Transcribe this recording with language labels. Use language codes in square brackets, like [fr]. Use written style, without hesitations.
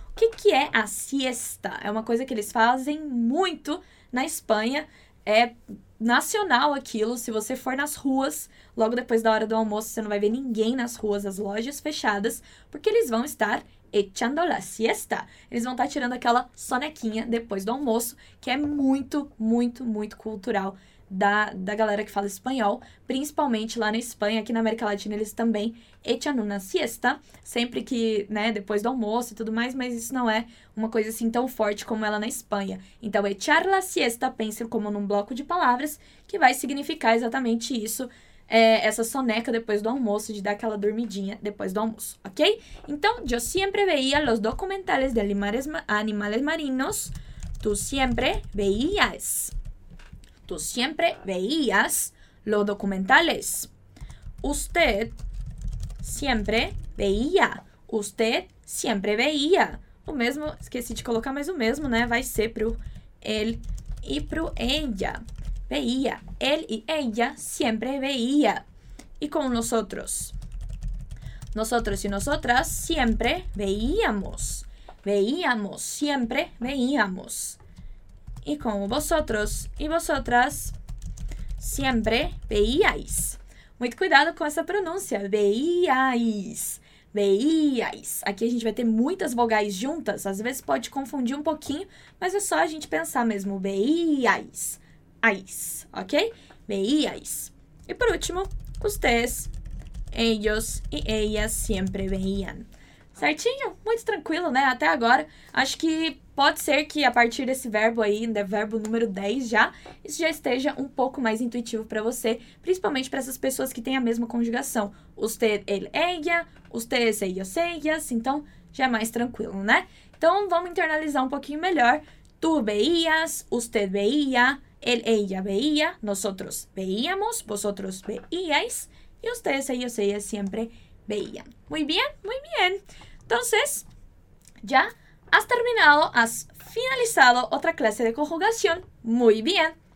[es] ¿Qué es la siesta? Es una cosa que ellos hacen mucho en España. [pt] Nacional aquilo, se você for nas ruas, logo depois da hora do almoço, você não vai ver ninguém nas ruas, as lojas fechadas, porque eles vão estar [es] echando la siesta. [pt] Eles vão estar tirando aquela sonequinha depois do almoço, que é muito, muito, muito cultural da galera que fala espanhol, principalmente lá na Espanha, aqui na América Latina, eles também [es] echan una siesta, [pt] sempre que, né, depois do almoço e tudo mais, mas isso não é uma coisa assim tão forte como ela na Espanha. Então, [es] echar la siesta, [pt] pense como num bloco de palavras que vai significar exatamente isso, essa soneca depois do almoço, de dar aquela dormidinha depois do almoço, ok? [es] Então, yo siempre veía los documentales de animales marinos, tú siempre veías. Tú siempre veías los documentales. Usted siempre veía. Usted siempre veía. [pt] O mesmo, esqueci de colocar, mas o mesmo, né? Vai ser pro él y pro ella. Veía. [es] Él y ella siempre veía. Y con nosotros. Nosotros y nosotras siempre veíamos. Veíamos. Siempre veíamos. Y como vosotros y vosotras siempre veíais. [pt] Muito cuidado com essa pronúncia. [es] Veíais. Veíais. [pt] Aqui a gente vai ter muitas vogais juntas. Às vezes pode confundir um pouquinho, mas é só a gente pensar mesmo. [es] Veíais. Ais. Ok? Veíais. [pt] E por último, [es] ustedes, ellos y ellas siempre veían. [pt] Certinho? Muito tranquilo, né? Até agora. Acho que pode ser que a partir desse verbo aí, do verbo número 10 já, isso já esteja um pouco mais intuitivo para você, principalmente para essas pessoas que têm a mesma conjugação. [es] Usted, él, ella, ustedes, ellos, ellas. [pt] Então, já é mais tranquilo, né? Então, vamos internalizar um pouquinho melhor. [es] Tu veías, usted veía, él, ella veía, nosotros veíamos, vosotros veíais, e ustedes, ellos, ellas siempre veían. Muy bien, muy bien. Entonces, ya has terminado, has finalizado otra clase de conjugación. Muy bien.